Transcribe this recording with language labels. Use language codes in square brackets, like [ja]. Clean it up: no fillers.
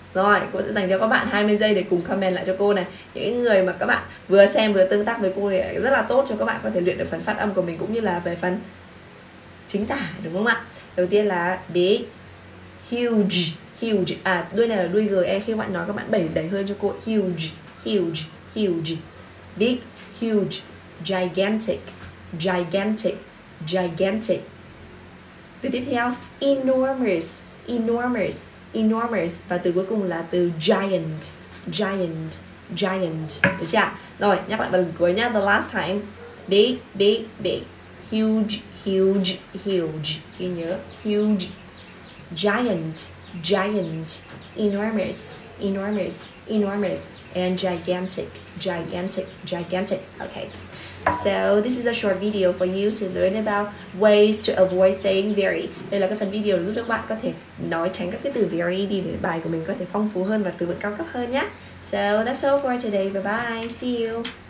[vi] Rồi, cô sẽ dành cho các bạn 20 giây để cùng comment lại cho cô này. Những người mà các bạn vừa xem vừa tương tác với cô thì rất là tốt cho các bạn có thể luyện được phần phát âm của mình cũng như là về phần chính tả, đúng không ạ? Đầu tiên là big, huge, huge. À, đuôi này là đuôi GE, khi bạn nói các bạn bẩy đầy hơn cho cô. [en] Huge, huge, huge. Big, huge, gigantic, gigantic, gigantic. [vi] Từ tiếp theo, enormous, enormous, enormous. Và từ cuối cùng là từ giant, giant, giant. Được chưa? Rồi, nhắc lại lần cuối nha. [en] The last time. Big, big, big. Huge, huge, huge. [vi] Ghi nhớ. [en] Huge. Giant, giant. Enormous, enormous, enormous. And gigantic, gigantic, gigantic. Okay. So, this is a short video for you to learn about ways to avoid saying very. [vi] Đây là cái phần video giúp các bạn có thể nói tránh các cái từ very đi để bài của mình có thể phong phú hơn và từ vựng cao cấp hơn nhé. [en] So, that's all for today. Bye bye. See you.